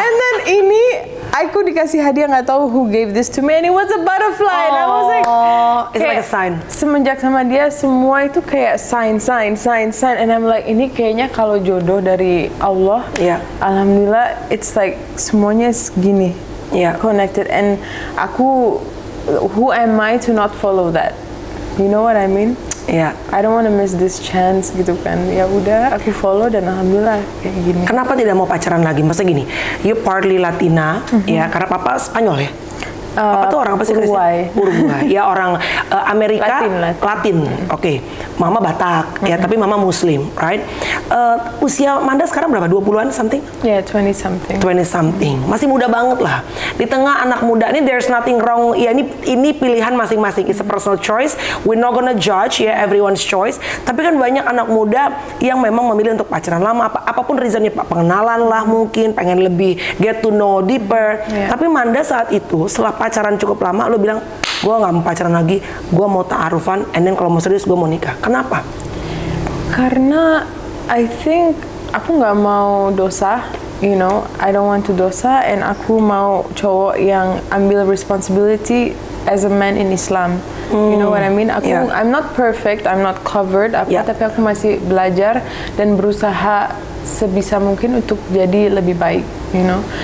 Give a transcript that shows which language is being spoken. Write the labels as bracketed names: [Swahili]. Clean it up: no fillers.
[English] And then [Indonesian] ini aku dikasih hadiah, nggak tahu [English] who gave this to me, and it was a butterfly. And I was like, it's like a sign. [Indonesian] Semenjak sama dia semua itu kayak sign, [English] and I'm like, [Indonesian] ini kayaknya kalau jodoh dari Allah. Iya. [English] Yeah. Alhamdulillah, it's like [Indonesian] semuanya segini. Iya. [English] Yeah. Connected, and [Indonesian] aku, [English] who am I to not follow that? You know what I mean? Yeah. I don't want to miss this chance [Indonesian] gitu kan. Ya udah, aku follow dan alhamdulillah kayak gini. Kenapa tidak mau pacaran lagi? Maksudnya gini, [English] you partly Latina, [Indonesian] mm-hmm. ya, karena papa Spanyol ya. Papa tuh orang apa sih? Uruguay. Uruguay. Ya orang Amerika Latin. Oke. Okay. Mama Batak, mm-hmm. ya, tapi mama Muslim, right? Usia Manda sekarang berapa? 20-an something? [English] Yeah, 20-something. [Indonesian] 20-something. Mm-hmm. Masih muda banget lah. Di tengah anak muda ini, [English] there's nothing wrong. [Indonesian] Ya, ini pilihan masing-masing. [English] It's a personal choice. We're not gonna judge, yeah, everyone's choice. [Indonesian] Tapi kan banyak anak muda yang memang memilih untuk pacaran lama. Apapun reasonnya, Pak. Pengenalan lah mungkin, pengen lebih [English] get to know deeper. [Indonesian] Yeah. Tapi Manda saat itu, setelah pacaran cukup lama, lo bilang, gue gak mau pacaran lagi, gue mau ta'arufan, [English] and then [Indonesian] kalau mau serius, gue mau nikah. Kenapa? [English] Karena I think [Indonesian] aku gak mau dosa, [English] you know, I don't want to dosa, and [Indonesian] aku mau cowok yang ambil [English] responsibility as a man in Islam. You know what I mean? Aku, yeah. I'm not perfect, I'm not covered, [Indonesian] apa, [English] yeah. [Indonesian] tapi aku masih belajar dan berusaha sebisa mungkin untuk jadi lebih baik, [English] you know.